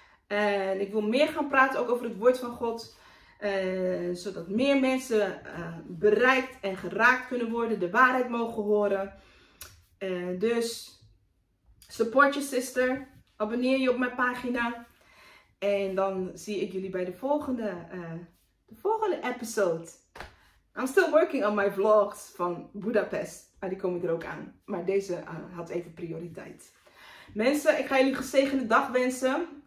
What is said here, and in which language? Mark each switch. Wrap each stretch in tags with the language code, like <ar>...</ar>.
<nl>En ik wil meer gaan praten ook over het woord van God. Zodat meer mensen bereikt en geraakt kunnen worden. De waarheid mogen horen. Dus</nl> <en>support your sister.</en> <nl>Abonneer je op mijn pagina. En dan zie ik jullie bij de volgende episode.</nl> <en>I'm still working on my vlogs van Budapest.</en> <nl>Maar die komen er ook aan. Maar deze had even prioriteit. Mensen, ik ga jullie een gezegende dag wensen.</nl>